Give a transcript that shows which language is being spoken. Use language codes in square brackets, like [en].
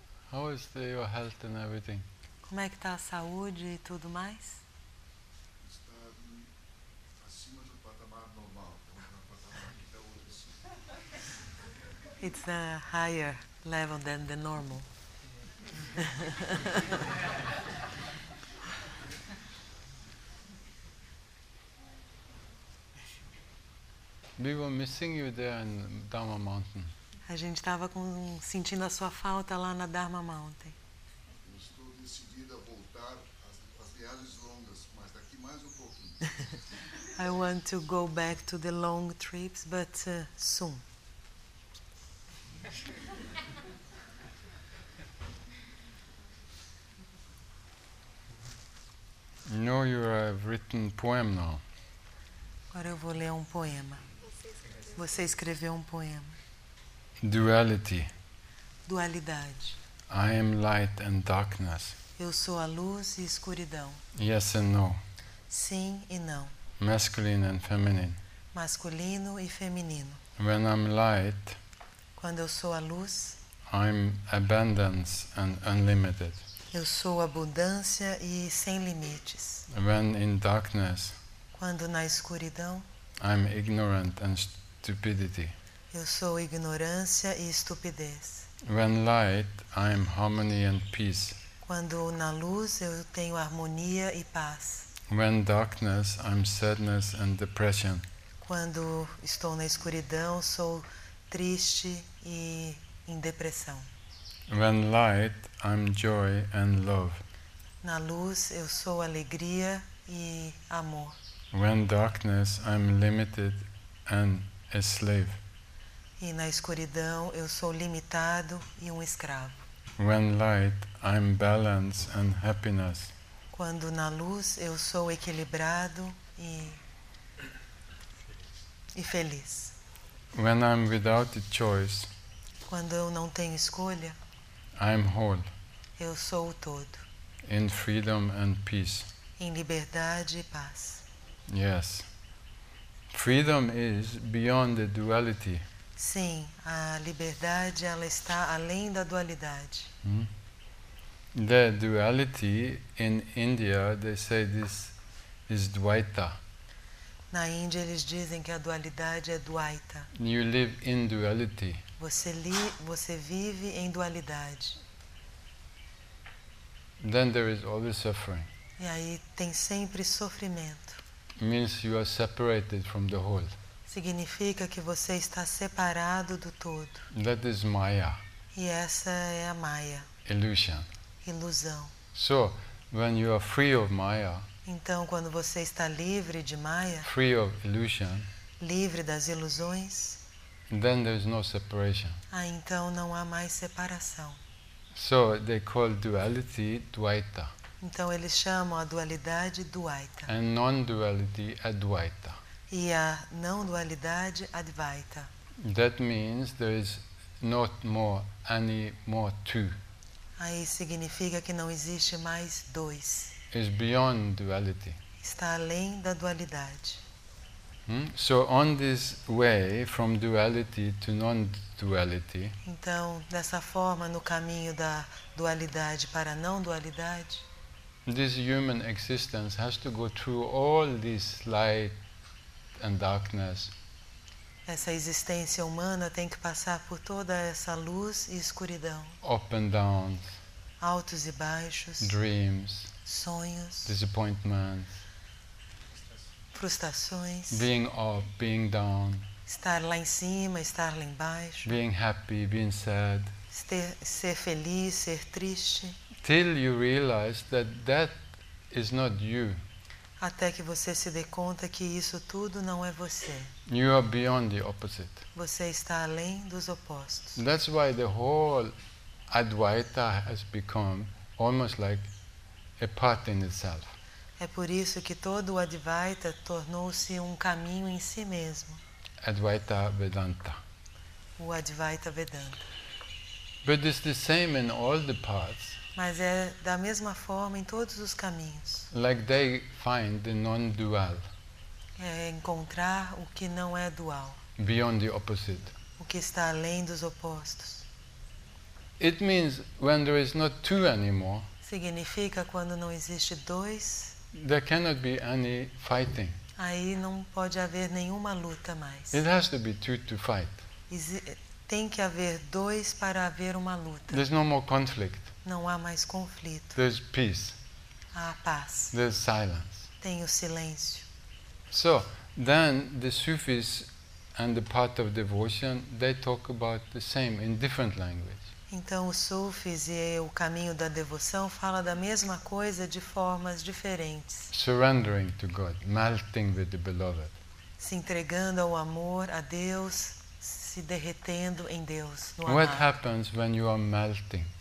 [en] How is your health and everything? [pt] Como é que tá a saúde e tudo mais? Está acima do patamar normal. [en] It's a higher level than the normal. We were missing you there in Dharma Mountain. [pt] A gente estava sentindo a sua falta lá na Dharma Mountain. Eu estou decidida a voltar às viagens longas, mas daqui mais um pouquinho. [en] I want to go back to the long trips, but soon. You know you have written poem now. [pt] Agora eu vou ler um poema. Você escreveu um poema. [en] Duality. [pt] Dualidade. [en] I am light and darkness. [pt] Eu sou a luz e escuridão. [en] Yes and no. [pt] Sim e não. [en] Masculine and feminine. [pt] Masculino e feminino. [en] When I'm light. [pt] Quando eu sou a luz. [en] I'm abundance and unlimited. [pt] Eu sou abundância e sem limites. [en] When in darkness. [pt] Quando na escuridão. [en] I'm ignorant and stupidity. [pt] Eu sou ignorância e estupidez. [en] When light, I am harmony and peace. [pt] Quando na luz, eu tenho harmonia e paz. [en] When darkness, I am sadness and depression. [pt] Quando estou na escuridão, sou triste e em depressão. [en] When light, I am joy and love. [pt] Na luz, eu sou alegria e amor. [en] When darkness, I am limited and a slave. [pt] E na escuridão eu sou limitado e um escravo. [en] When light, I'm balance and happiness. [pt] Quando na luz eu sou equilibrado e feliz. [en] When I'm without a choice. [pt] Quando eu não tenho escolha. [en] I'm whole. [pt] Eu sou o todo. [en] In freedom and peace. [pt] Em liberdade e paz. [en] Yes. Freedom is beyond the duality. [pt] Sim, a liberdade ela está além da dualidade. [en] The duality in India, they say this is Dvaita. [pt] Na Índia eles dizem que a dualidade é Dvaita. [en] You live in duality. [pt] Você vive em dualidade. [en] Then there is always suffering. [pt] E aí tem sempre sofrimento. [en] Means you are separated from the whole. [pt] Significa que você está separado do todo. [en] That is Maya. [pt] E essa é a Maya. [en] Illusion. [pt] Ilusão. [en] So, when you are free of Maya, [pt] então quando você está livre de Maya, [en] free of illusion, [pt] livre das ilusões, [en] then there is no separation. [pt] Ah, então não há mais separação. [en] So they call duality dvaita. [pt] Então eles chamam a dualidade dvaita. [en] And non-duality advaita. [pt] E a não dualidade advaita. [en] That means there is not more any more two. [pt] Aí significa que não existe mais dois. [en] Is beyond duality. [pt] Está além da dualidade. [en] So on this way from duality to non-duality. [pt] Então, dessa forma, no caminho da dualidade para a não dualidade. [en] This human existence has to go through all this light and darkness. [pt] Essa existência humana tem que passar por toda essa luz e escuridão. [en] Up and down. [pt] Altos e baixos. [en] Dreams. [pt] Sonhos. [en] Disappointments. [pt] Frustrações. [en] Being up, being down. [pt] Estar lá em cima, estar lá embaixo. [en] Being happy, being sad. [pt] Ser feliz, ser triste. [en] Till you realize that that is not you. [pt] Até que você se dê conta que isso tudo não é você. [en] You are beyond the opposite. [pt] Você está além dos opostos. [en] That's why the whole Advaita has become almost like a path in itself. [pt] É por isso que todo o Advaita tornou-se um caminho em si mesmo. [en] Advaita Vedanta. [pt] O Advaita Vedanta. [en] But it's the same in all the paths. [pt] Mas é da mesma forma em todos os caminhos. [en] Like they find the non-dual. [pt] É encontrar o que não é dual. [en] Beyond the opposite. [pt] O que está além dos opostos. [en] It means when there is not two anymore. [pt] Significa quando não existe dois. [en] There cannot be any fighting. [pt] Aí não pode haver nenhuma luta mais. [en] It has to be two to fight. [pt] Tem que haver dois para haver uma luta. [en] There's no more conflict. [pt] Não há mais conflito. [en] There's peace. [pt] Há paz. [en] There's silence. [pt] Tem o silêncio. [en] So, then the Sufis and the path of devotion, they talk about the same in different language. [pt] Então os Sufis e o caminho da devoção fala da mesma coisa de formas diferentes. [en] Surrendering to God, melting with the beloved. [pt] Se entregando ao amor, a Deus, se derretendo em Deus, no [en] amor. What happens when you are melting?